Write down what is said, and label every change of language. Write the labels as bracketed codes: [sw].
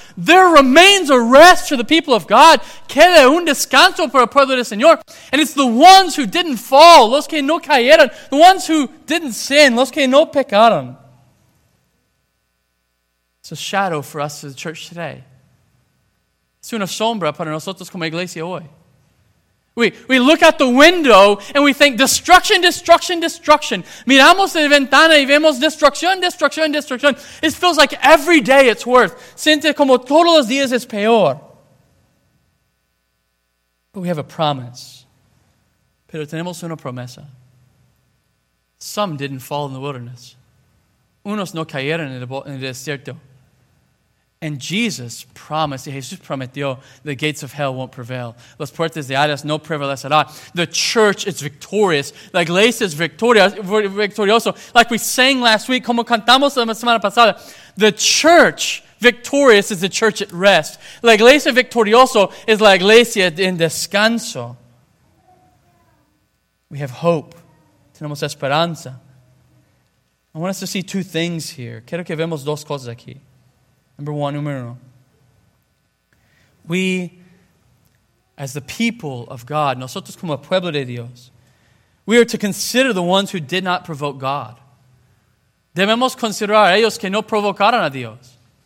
[en] There remains a rest for the people of God. [es] Queda un descanso para el pueblo del Señor. [en] And it's the ones who didn't fall, [es] los que no cayeron. [en] The ones who didn't sin, [es] los que no pecaron. [en] It's a shadow for us as a church today. [es] Es una sombra para nosotros como iglesia hoy. [en] We look out the window and we think, destruction, destruction, destruction. [es] Miramos la ventana y vemos destrucción, destrucción, destrucción. [en] It feels like every day it's worse. [es] Siente como todos los días es peor. [en] But we have a promise. [es] Pero tenemos una promesa. [en] Some didn't fall in the wilderness. [es] Unos no cayeron en el desierto. [en] And Jesus promised, [es] Jesús prometió, [en] the gates of hell won't prevail. [es] Las puertas de Hades no prevalecerán. [en] The church is victorious. [es] La iglesia es victoriosa. [en] Like we sang last week, [es] como cantamos la semana pasada. [en] The church victorious is the church at rest. [es] La iglesia victoriosa is la iglesia en descanso. [en] We have hope. [es] Tenemos esperanza. [en] I want us to see two things here. [es] Quiero que vemos dos cosas aquí. [en] Number one, [es] numero uno. [en] We, as the people of God, [es] nosotros como pueblo de Dios, [en] we are to consider the ones who did not provoke God. [es] Debemos considerar ellos que no provocaron a Dios.